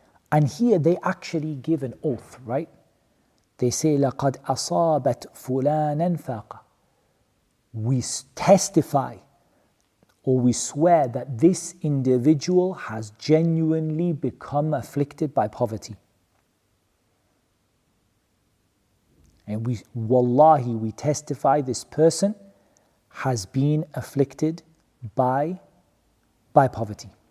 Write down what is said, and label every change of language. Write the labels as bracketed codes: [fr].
[en] And here they actually give an oath, right? They say, [ar] لَقَدْ أَصَابَتْ فُلَانًا فَاقًا. [en] We testify, or we swear, that this individual has genuinely become afflicted by poverty. And we, wallahi, we testify this person has been afflicted by poverty.